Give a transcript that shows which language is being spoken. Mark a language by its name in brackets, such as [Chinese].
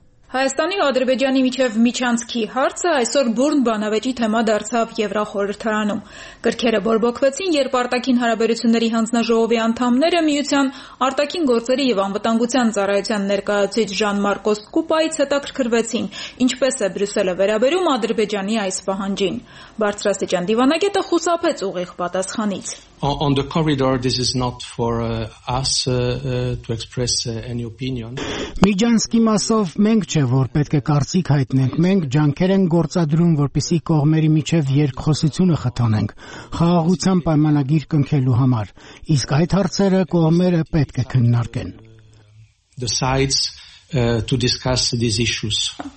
[Armenian] Հայաստանի Ադրբեջանի միջև միջանցքի հարցը այսօր բուրն բանավեճի թեմա դարձավ Եվրախորհրդարանում։ Կրքերը բորբոքվեցին, երբ արտաքին հարաբերությունների հանձնաժողովի անդամները միության արտաքին գործերի և անվտանգության ծառայության ներկայացուցիչ Ժան Մարկոս Կուպայից հետաքրքրվեցին, ինչպես է Բրյուսելը վերաբերում Ադրբեջանի այս պահանջին։ Բարձրաստիճան դիվանագետը խուսափեց ուղիղ պատասխանից։ [English] On the corridor, this is not for us to express any opinion. [Armenian] Միջանցքի մասով մենք չէ, որ պետք է կարծիք հայտնենք, մենք ջանքեր ենք գործադրում, որպեսի կողմերի միջև երկխոսությունը խթանենք, խաղաղության պայմանագիր կնքելու համար, իսկ այդ հարցերը կողմերը պետք է քննարկեն. [English] The sides to discuss these issues.